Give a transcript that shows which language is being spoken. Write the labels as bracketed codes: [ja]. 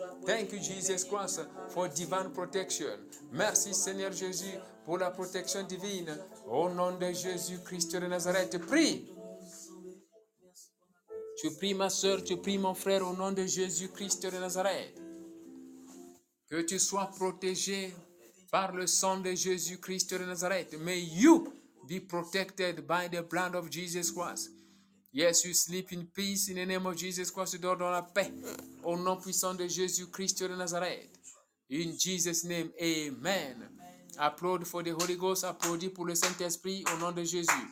[en] Thank you Jesus Christ for divine protection. [fr] Merci Seigneur Jésus pour la protection divine. Au nom de Jésus Christ de Nazareth, prie. Tu pries ma sœur, tu pries mon frère au nom de Jésus Christ de Nazareth. Que tu sois protégé par le sang de Jésus-Christ de Nazareth. [en] May you be protected by the blood of Jesus Christ. Yes, you sleep in peace in the name of Jesus Christ. [fr] Tu dors dans la paix au nom puissant de Jésus-Christ de Nazareth. [en] In Jesus' name, amen. Applaud for the Holy Ghost. [fr] Applaudis pour le Saint-Esprit au nom de Jésus.